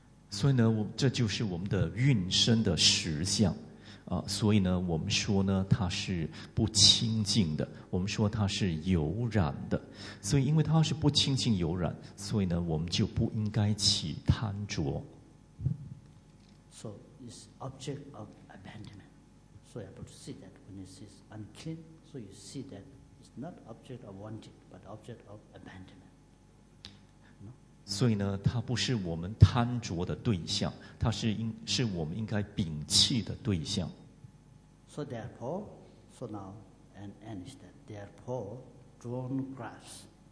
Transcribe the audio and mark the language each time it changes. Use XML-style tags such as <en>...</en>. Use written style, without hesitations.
<zh>所以呢，这就是我们的运身的实相，所以呢，我们说呢，它是不清净的，我们说它是有染的，所以因为它是不清净有染，所以呢，我们就不应该起贪着。</zh> <en>So it's object of abandonment. So you have to see that when it is unclean, so you see that it's not object of wanting, but object of abandonment.</en> <zh>所以呢，它不是我们贪着的对象，它是是我们应该摒弃的对象。</zh> <en>So therefore, so now and instead, therefore, drawn grass.</en>